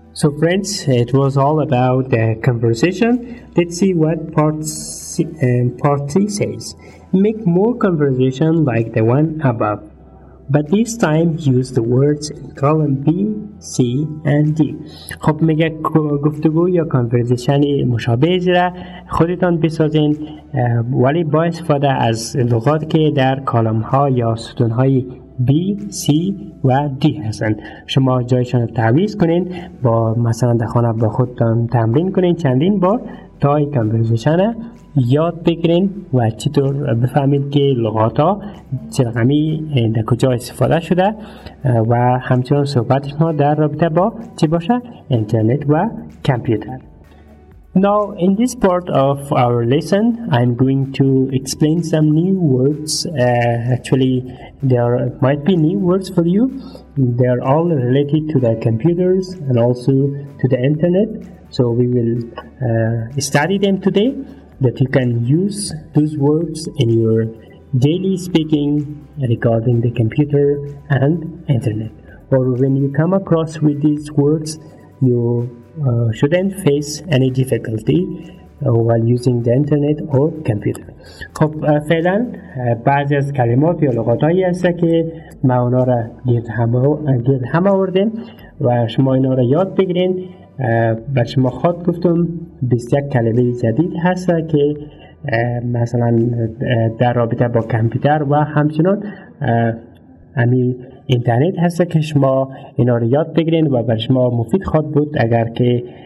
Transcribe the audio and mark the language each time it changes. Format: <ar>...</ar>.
<en>So friends, it was all about the conversation. Let's see what part C says. Make more conversation like the one above, but this time use the words in column B, C and D.</en> <fa>خب میگه گفتگو یا conversation مشابه را خودتان بسازین ولی با استفاده از لغات که در کالم ها یا ستون های B, C و D هستند. شما جایشان رو تعویض کنین، با مثلا در خانه با خودتان تمرین کنین چندین بار تا این کانورسیشن یاد بگیرین و چطور بفهمید که لغات ها چرقمی در کجا استفاده شده و همچنان صحبت شما در رابطه با چی باشه؟ اینترنت و کامپیوتر.</fa> <en>Now, in this part of our lesson, I'm going to explain some new words. Actually, there might be new words for you. They are all related to the computers and also to the internet. So we will study them today, that you can use those words in your daily speaking regarding the computer and internet. Or when you come across with these words, you shouldn't face any difficulty while using the internet or computer.</en> <fa>خب فعلا بعضی از کلمات یا لغات هایی هست که ما اونا را گرد هم آوردیم و شما اینا را یاد بگیرین. به شما خود گفتم 21 کلمه جدید هست که مثلا در رابطه با کامپیوتر و همچنان همین اینترنت هست که شما اینا رو یاد بگیرین و برای شما مفید خواهد بود اگر که</fa>